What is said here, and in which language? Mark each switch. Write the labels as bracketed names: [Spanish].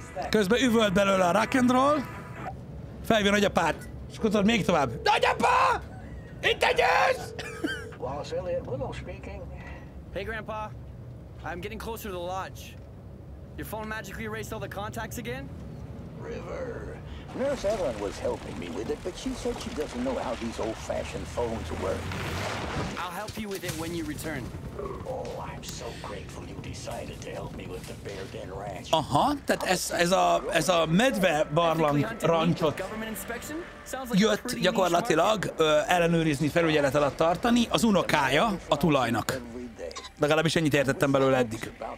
[Hungarian] Közben üvölt belőle a rock'n'roll, felvér agyapát, és akkor tudod még tovább. Nagyapa! Itt egy ősz! [English] Wallace Elliot, Little speaking. Hey, Grandpa. I'm getting closer to the lodge. Your phone magically erased all the contacts again? River, Nurse Evelyn was helping me with it, but she said she doesn't know how these old-fashioned phones work. I'll help you with it when you return. Oh, I'm so grateful you decided to help me with the Bear Den Ranch. [Hungarian] Aha, tehát ez a medve barlang ranchot jött gyakorlatilag ellenőrizni, felügyelet alatt tartani az unokája a tulajnak. Legalábbis ennyit értettem belőle eddig.